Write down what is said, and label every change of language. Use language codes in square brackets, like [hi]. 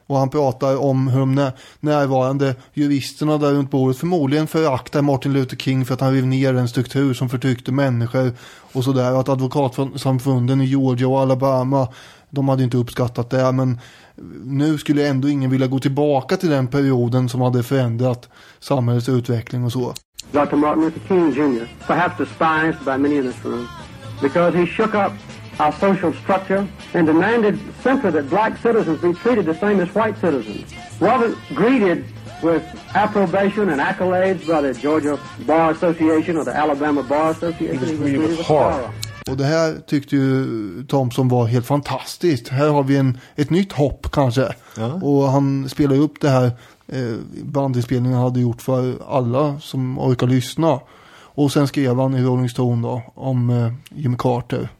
[sv] Och han pratar om hur de närvarande juristerna där runt bordet förmodligen föraktar Martin Luther King för att han rev ner en struktur som förtryckte människor och sådär. Att advokatsamfunden i Georgia och Alabama, de hade inte uppskattat det, men nu skulle ändå ingen vilja gå tillbaka till den perioden som hade förändrat samhällets utveckling och så. [en] Dr. Martin Luther King Jr., perhaps despised by many in this room, because he shook up our social structure and demanded simply that black citizens be treated the same as white citizens. Wasn't greeted with approbation and accolades by the Georgia Bar Association or the Alabama Bar Association. He was greeted with horror. [sv] Och det här tyckte ju Thompson var helt fantastiskt. Här har vi ett nytt hopp kanske. Uh-huh. Och han spelade upp det här bandinspelningen hade gjort för alla som orkar lyssna. Och sen skrev han i Rolling Stone då om Jimmy Carter.